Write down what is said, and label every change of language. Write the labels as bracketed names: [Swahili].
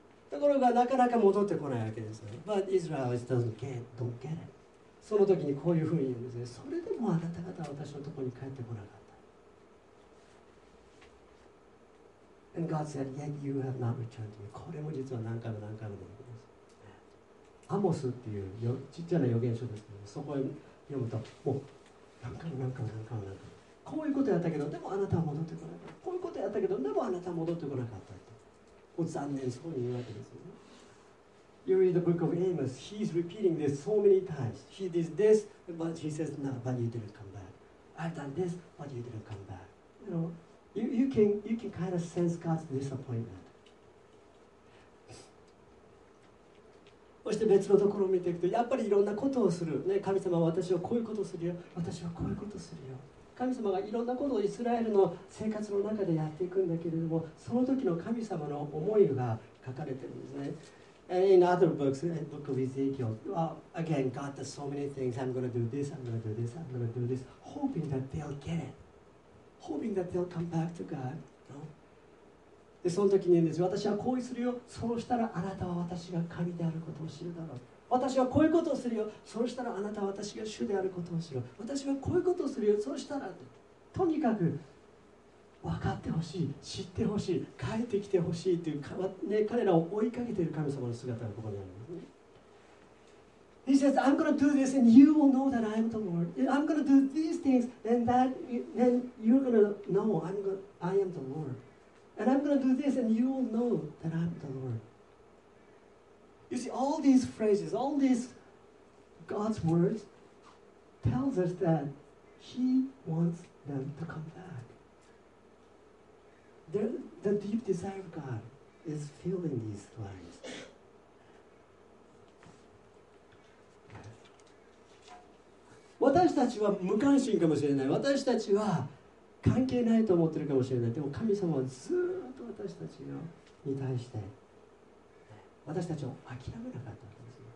[Japanese] ところがなかなか戻ってこないわけですよ。 [English] But Israel doesn't get it. [Japanese] その時にこういうふうに言うんですね。それでもあなた方は私のところに帰ってこなかった。 [English] And God said, yet you have not returned to me. [Japanese] これも実は何回も何回も出てくるんです。アモスっていうちっちゃな予言書ですけど、そこを読むと、もう何回も何回も何回も何回も。こういうことやったけど、でもあなたは戻ってこなかった。こういうことやったけど、でもあなたは戻ってこなかった。残念そうに言うわけですよ、ね。 [English] You read the book of Amos. He's repeating this so many times. He did this, but he says, no, but you didn't come back. I've done this, but you didn't come back. You know, you can kind of sense God's disappointment. [Japanese] そして別のところを見ていくと、やっぱりいろんなことをする。ね、神様は私はこういうことをするよ。私はこういうことをするよ。神様がいろんなことをイスラエルの生活の中でやっていくんだけれども、その時の神様の思いが書かれてるんですね。 [English] And in other books, in the book of Ezekiel, well, again, God does so many things. I'm going to do this, hoping that they'll get it. Hoping that they'll come back to God. No? [Japanese] で、その時に言うんです。私はこうするよ。そうしたらあなたは私が神であることを知るだろう。私はこういうことをするよ。そうしたらあなたは私が主であることを知る。私はこういうことをするよ。そうしたら、とにかく分かってほしい、知ってほしい、帰ってきてほしいというか、ね、彼らを追いかけている神様の姿がここにあるんですね。 [English] He says, I'm going to do this and you will know that I'm the Lord. I'm going to do these things and that, then you're going to know I am the Lord. And I'm going to do this and you will know that I'm the Lord. You see, all these phrases, all these God's words tells us that He wants them to come back. The deep desire of God is filling these lines. [Japanese] Yes. 私たちは無関心かもしれない。私たちは関係ないと思ってるかもしれない。でも神様はずっと私たちに対して私たちを諦めなかったんですよ。